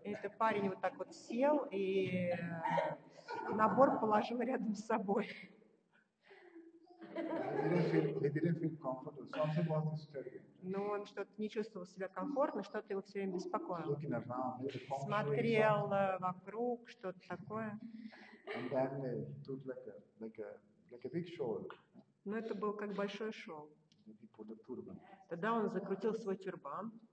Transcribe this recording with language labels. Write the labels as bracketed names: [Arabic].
[Russian] Это парень вот так вот сел и набор положил рядом с собой. [English] He didn't feel comfortable. Something was disturbing. [Russian] Но он что-то не чувствовал себя комфортно, что-то его все время беспокоило. [English] Looking around, [Russian] смотрел вокруг, что-то такое. [English] And then he took like a big shawl. [Russian] Но это был как большой шел. [English] He put a turban. [Russian] Тогда он закрутил свой тюрбан.